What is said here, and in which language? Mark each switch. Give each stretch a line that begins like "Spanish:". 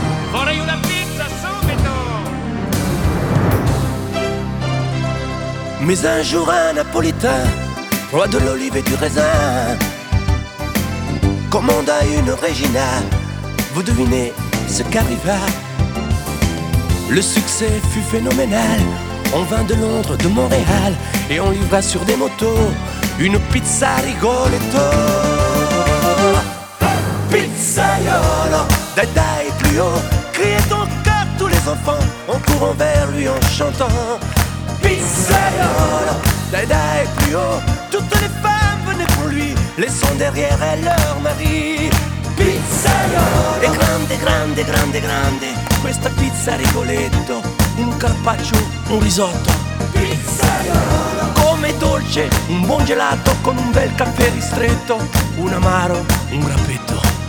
Italian: Vorrei una pizza subito.
French: Mais un jour un Napolitain, roi de l'olive et du raisin, commanda une Regina. Vous devinez ce qu'arriva. Le succès fut phénoménal, on vint de Londres, de Montréal, et on livra sur des motos une pizza Rigoletto. Pizzaiolo,
Italian: dai dai
French: plus haut, criait ton cœur tous les enfants en courant vers lui en chantant. Pizzaiolo,
Italian: dai dai
French: plus haut, toutes les femmes venaient pour lui, laissant derrière elles leur mari.
Italian: Pizzaiolo, è grande, grande, grande, grande, questa pizza Rigoletto, un carpaccio, un risotto. Pizzaiolo, come dolce, un buon gelato con un bel caffè ristretto, un amaro, un grappetto.